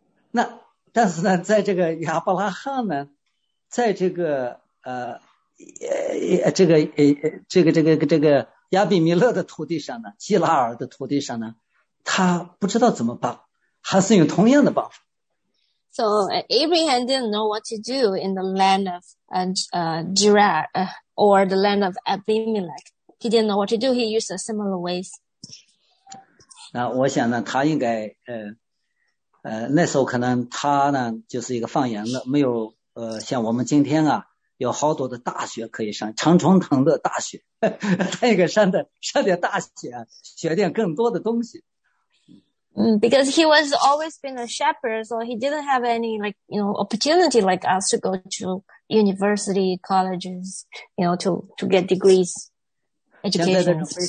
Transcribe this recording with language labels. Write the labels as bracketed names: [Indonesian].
[Chinese] 那但是呢在这个亚伯拉罕呢在这个这个这个这个这个亚比米勒的徒弟上呢基拉尔的徒弟上呢他不知道怎么办还是有同样的办法。 [English] So Abraham didn't know what to do in the land of Gerar or the land of Abimelech. He didn't know what to do. He used a similar ways. [Chinese] 那我想呢他应该那时候可能他呢就是一个放羊的没有像我们今天啊有好多的大学可以上长春藤的大学他应该上的上点大学啊学点更多的东西。 [English] Because he was always been a shepherd, so he didn't have any, like, you know, opportunity like us to go to university, colleges, you know, to get degrees, education.